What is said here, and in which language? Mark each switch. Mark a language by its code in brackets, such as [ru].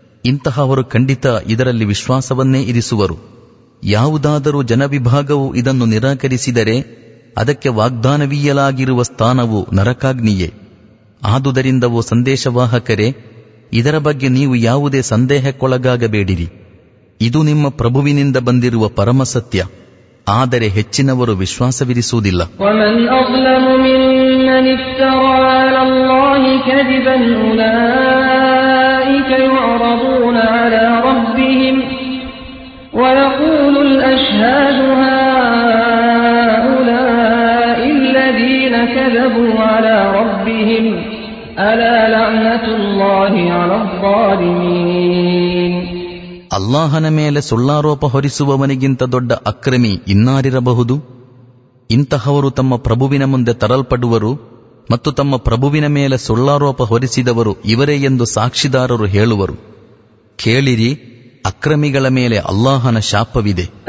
[kn] ಇಂತಹವರು ಖಂಡಿತ ಇದರಲ್ಲಿ ವಿಶ್ವಾಸವನ್ನೇ ಇರಿಸುವರು. ಯಾವುದಾದರೂ ಜನವಿಭಾಗವು ಇದನ್ನು ನಿರಾಕರಿಸಿದರೆ ಅದಕ್ಕೆ ವಾಗ್ದಾನವೀಯಲಾಗಿರುವ ಸ್ಥಾನವು ನರಕಾಗ್ನಿಯೇ. ಆದುದರಿಂದವೋ ಸಂದೇಶವಾಹಕರೇ, ಇದರ ಬಗ್ಗೆ ನೀವು ಯಾವುದೇ ಸಂದೇಹಕ್ಕೊಳಗಾಗಬೇಡಿರಿ. ಇದು ನಿಮ್ಮ ಪ್ರಭುವಿನಿಂದ ಬಂದಿರುವ ಪರಮಸತ್ಯ. ಆದರೆ ಹೆಚ್ಚಿನವರು ವಿಶ್ವಾಸವಿರಿಸುವುದಿಲ್ಲ. [ar] افترى على الله كذبا اولئك يعرضون على ربهم ويقول الاشهاد هؤلاء الذين كذبوا على ربهم الا لعنه الله على الظالمين. [kn] اللهನ ಮೇಲೆ ಸುಳ್ಳಾರೋಪ ಹೊರಿಸುವವನಿಗಿಂತ ದೊಡ್ಡ ಅಕ್ರಮಿ ಇನ್ನಾರಿರಬಹುದು? ಇಂತಹವರು ತಮ್ಮ ಪ್ರಭುವಿನ ಮುಂದೆ ತರಲ್ಪಡುವರು ಮತ್ತು ತಮ್ಮ ಪ್ರಭುವಿನ ಮೇಲೆ ಸುಳ್ಳಾರೋಪ ಹೊರಿಸಿದವರು ಇವರೇ ಎಂದು ಸಾಕ್ಷಿದಾರರು ಹೇಳುವರು. ಕೇಳಿರಿ, ಅಕ್ರಮಿಗಳ ಮೇಲೆ ಅಲ್ಲಾಹನ ಶಾಪವಿದೆ.